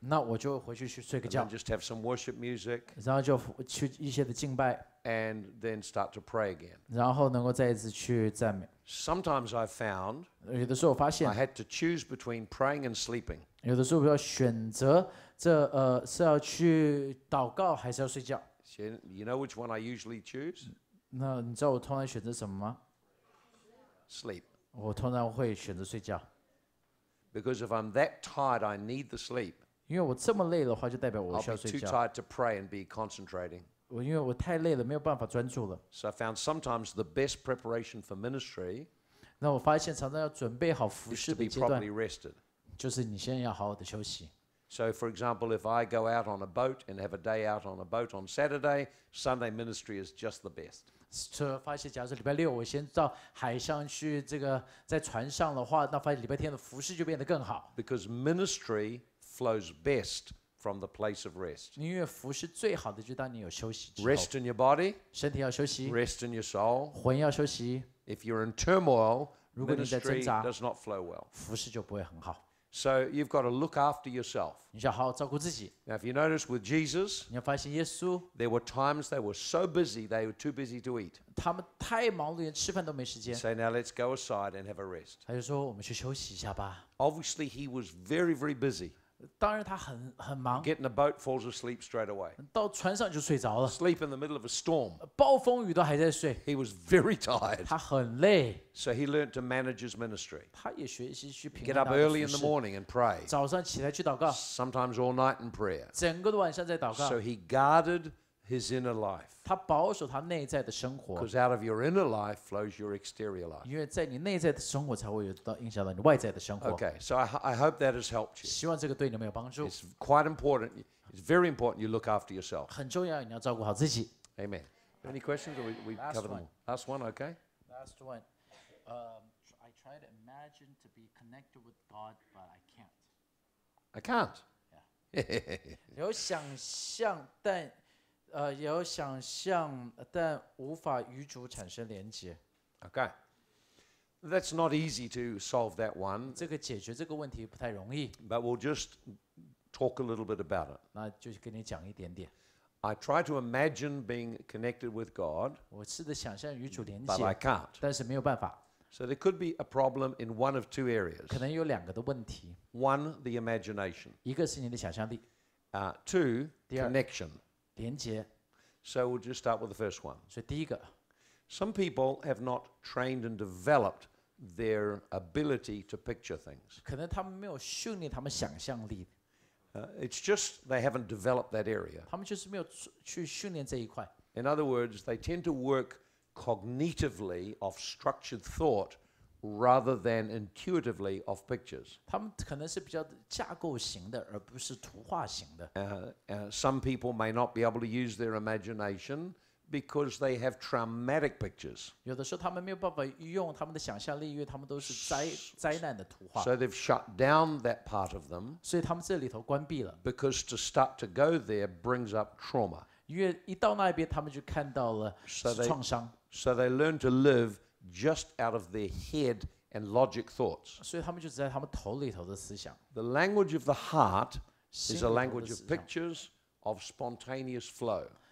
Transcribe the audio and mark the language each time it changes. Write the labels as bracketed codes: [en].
[zh] 那我就回去睡个觉。 [en] And just have some worship music. [zh] 然后就去一些的敬拜。 [en] And then start to pray again. [zh] 然后能够再一次去赞美。 [en] Sometimes I found, [zh] 有的时候我发现 [en] I had to choose between praying and sleeping. [zh] 有的时候我要选择这是要去祷告还是要睡觉。 [en] You know which one I usually choose? [zh] 那你知道我通常选择什么吗？ [en] Sleep. [zh] 我通常会选择睡觉。 [en] Because if I'm that tired, I need the sleep. [zh] 因为我这么累的话，就代表我需要睡觉。 [en] I'll be too tired to pray and be concentrating. [zh] 因为我太累了，没有办法专注了。 [en] So I found sometimes the best preparation for ministry. [zh] 那我发现常常要准备好服事的阶段。 [en] Is to be properly rested. [zh] 就是你先要好好的休息。 [en] So for example, if I go out on a boat and have a day out on a boat on Saturday, Sunday ministry is just the best. [zh] 所以发现，假如说礼拜六我先到海上去，这个在船上的话，那发现礼拜天的服事就变得更好。 [en] Because ministry flows best from the place of rest. [zh] 因为服事最好的就当你有休息之后。 [en] Rest in your body. [zh] 身体要休息。 [en] Rest in your soul. [zh] 魂要休息。 [en] If you're in turmoil, [zh] 如果你在挣扎 [en] ，does not flow well. [zh] 服事就不会很好。 [en] So you've got to look after yourself. [zh] 你要好好照顾自己。 [en] Now, if you notice with Jesus, [zh] 你要发现耶稣 [en] there were times they were so busy they were too busy to eat. [zh] 他们太忙了，连吃饭都没时间。 [en] So now let's go aside and have a rest. [zh] 他就说我们去休息一下吧。 [en] Obviously, he was very, very busy. [zh] 当然他很忙。 [en] Getting a boat falls asleep straight away. [zh] 到船上就睡着了。 [en] Sleep in the middle of a storm. [zh] 暴风雨都还在睡。 [en] He was very tired. [zh] 他很累。 [en] So he learned to manage his ministry. [zh] 他也学习去平衡。 [en] Get up early in the morning and pray. [zh] 早上起来去祷告。 [en] Sometimes all night in prayer. [zh] 整个的晚上在祷告。 [en] So he guarded his inner life. [zh] 他保守他内在的生活。 [en] Because out of your inner life flows your exterior life. [zh] 因为在你内在的生活才会有到影响到你外在的生活。 [en] Okay, so I hope that has helped you. [zh] 希望这个对你们有帮助。 [en] It's quite important. It's very important you look after yourself. [zh] 很重要，你要照顾好自己。 [en] Amen. Any questions? Or we covered them. Last one, okay? Last one. I try to imagine to be connected with God, but I can't. I can't. Yeah. [zh] 有想象，但有想象，但无法与主产生连接。 [en] Okay. That's not easy to solve that one. [zh] 这个解决这个问题不太容易。 [en] But we'll just talk a little bit about it. [zh] 那就跟你讲一点点。 [en] I try to imagine being connected with God. [zh] 我试着想象与主连接。 [en] But I can't. [zh] 但是没有办法。 [en] So there could be a problem in one of two areas. [zh] 可能有两个的问题。 [en] One, the imagination. [zh] 一个是你的想象力。 [en] Two, connection. [zh] 连接。 [en] So we'll just start with the first one. [zh] 所以第一个。 [en] Some people have not trained and developed their ability to picture things. [zh] 可能他们没有训练他们想象力。 [en] It's just they haven't developed that area. [zh] 他们就是没有去训练这一块。 [en] In other words, they tend to work cognitively of structured thought rather than intuitively off pictures. [zh] 他们可能是比较架构型的，而不是图画型的。 [en] Some people may not be able to use their imagination because they have traumatic pictures. [zh] 有的时候他们没有办法用他们的想象力，因为他们都是灾难的图画。 [en] So they've shut down that part of them. [zh] 所以他们这里头关闭了。 [en] Because to start to go there brings up trauma. [zh] 因为一到那边，他们就看到了创伤。 [en] So they learn to live. Just out of their head and logic thoughts. The language of the heart is a language of pictures of spontaneous flow.